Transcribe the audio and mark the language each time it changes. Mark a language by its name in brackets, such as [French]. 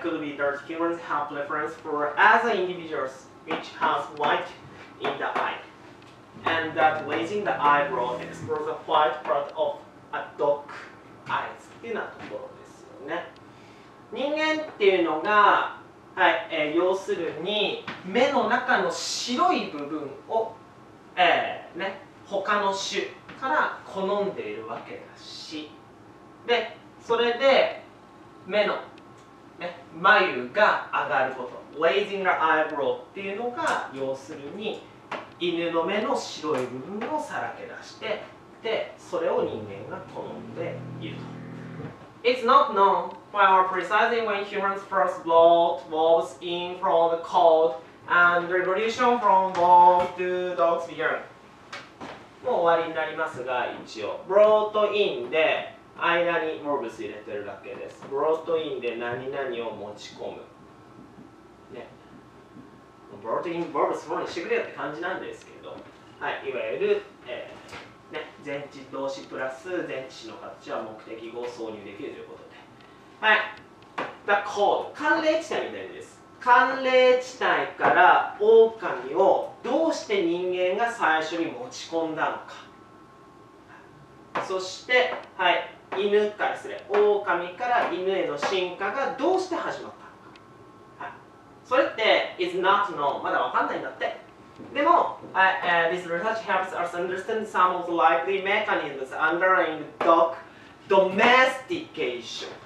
[English] Could be that humans have preference for other individuals which has white in the eye. And that raising the eyebrow explores the white part of a dog eyes. [Japanese] っていうようなところですよね。人間っていうのが、はい要するに目の中の白い部分を、ね、他の種から好んでいるわけだしでそれで目の、ね、眉が上がること [English] Raising the eyebrow [Japanese] っていうのが要するに犬の目の白い部分をさらけ出してでそれを人間が好んでいると。 [English] It's not known why or precisely when humans first brought wolves in from the cold and revolution from wolves to dogs began. [Japanese] もう終わりになりますが、一応 brought in で間に wolves 入れてるだけです。 brought in で何々を持ち込む。ね、 [English] brought in wolves [Japanese] にしてくれよって感じなんですけど、はい、いわゆる。ね、前置動詞プラス前置詞の形は目的語を挿入できるということで。はい。 [English] The cold [Japanese] 寒冷地帯みたいです。寒冷地帯から狼をどうして人間が最初に持ち込んだのか。そして、はい、犬からですね、狼から犬への進化がどうして始まったのか。はい、それって、 [English] is not known [Japanese] まだ分かんないんだって。でも、 [English] this research helps us understand some of the likely mechanisms underlying dog domestication.